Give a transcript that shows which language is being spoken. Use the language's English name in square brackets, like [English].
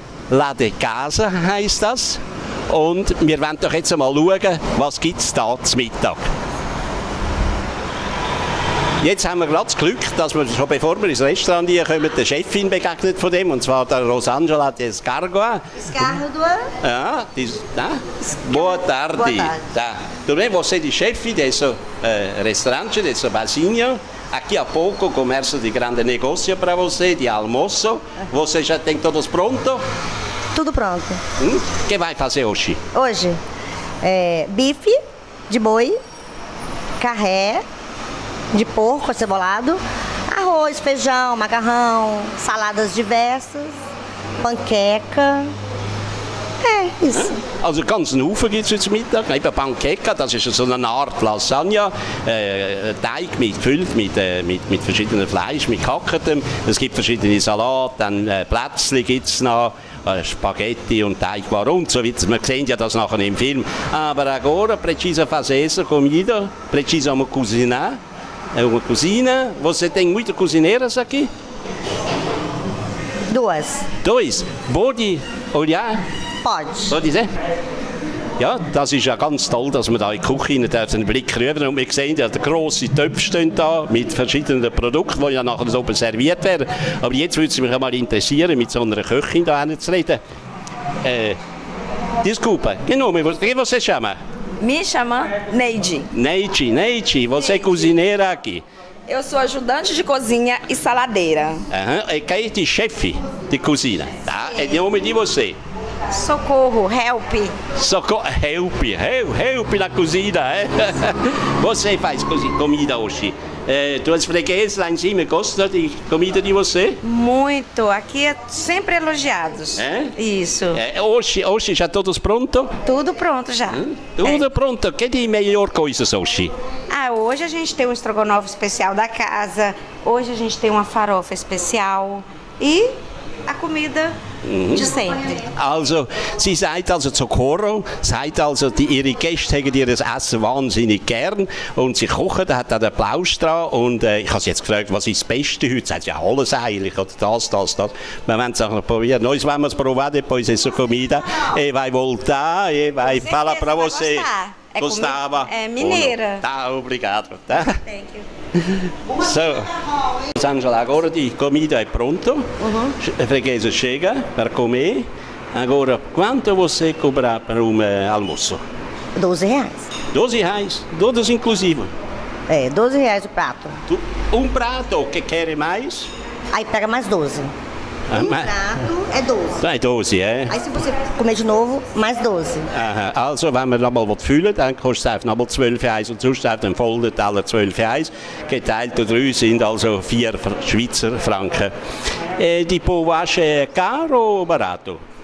[German] La de Casa heisst das. Und wir wollen doch jetzt mal schauen, was gibt es da zum Mittag. Jetzt haben wir gerade das Glück, dass wir schon bevor wir ins Restaurant hier kommen, der Chefin begegnet von dem, und zwar der Rosangela de Escargoa. Escargoa? Ja, die ist. [Portuguese] Boa tarde. [German] Du bist [Portuguese] você [German] die Chefin [Portuguese] de esse restaurante, de esse basinho. Aqui a pouco começa de grande negócio para você, de almoço. Você já tem tudo pronto? Tudo pronto. O que vai fazer hoje? Hoje, bife de boi, carré de porco acebolado, arroz, feijão, macarrão, saladas diversas, panqueca. Isso. [German] Also ganz Haufen gibt es heute Mittag. Eben Panqueca, das ist so eine Art Lasagne. Teig gefüllt mit verschiedenen Fleisch, mit Kackertem. Es gibt verschiedene Salate, dann Plätzli gibt es noch, Spaghetti und Teigwaren und so weiter. Wir sehen ja das nachher im Film. [Portuguese] Aber agora, precisa fazer essa comida, precisa uma cozinha. Uma cozinha. Você tem muitas cozinheiras aqui? Duas. Dois. Pode olhar? Pode. Pode ser? [German] Ja, das ist ja ganz toll, dass wir da in die Küche rein dürfen, einen Blick rüber. Und wir sehen ja, der grosse Töpfe stehen da mit verschiedenen Produkten, die ja nachher so oben serviert werden. Aber jetzt würde es mich einmal interessieren, mit so einer Köchin da hinten zu reden. [Portuguese] Desculpa, que nome você chama? Me chama Neide. Neide, Neide, você Neide. É cozinheira aqui? Eu sou ajudante de cozinha e saladeira. Aham, e quem é de chefe de cozinha? Tá? É de nome de você? Socorro, [English] help. [Portuguese] Socorro, [English] help, help [Portuguese] na cozinha, é? Você faz comida hoje? Tuas freguesas lá em cima gostam de comida de você? Muito, aqui é sempre elogiados. É? Isso. Hoje já todos pronto? Tudo pronto já. Tudo pronto, que de melhor coisas hoje? Ah, hoje a gente tem um estrogonofe especial da casa, hoje a gente tem uma farofa especial e a comida... [German] Also, sie sagt also zu Coro, sagt also, ihre Gäste haben ihr das Essen wahnsinnig gern und sie kochen, da hat auch den Applaus dran und ich habe sie jetzt gefragt, was ist das Beste heute? Sie sagt, ja alles eigentlich, oder das. Wir wollen es auch noch probieren. [Portuguese] Nós vamos provar depois essa comida. E vai voltar, e vai falar para você. Gostava. É mineira. Tá, obrigado. Tá? [English] Thank you. [Portuguese] Angela, agora die comida è pronta, uh-huh. Freguesa chega per comer. Agora, quanto você cobra per un almoço? $12. $12, inclusive? $12 o prato. Un prato, che quer mais? Aí pega mais 12. Prato é 12. É 12, é? Aí se você comer de novo, mais 12. [German] Also, wenn man nochmal was füllen, dann kostet es nochmal 12 Reis. Und sonst auf den Folder alle 12 Reis. Geteilt durch 3 sind also 4 Schweizer Franken. [Portuguese] Die Pouvache è caro o barato?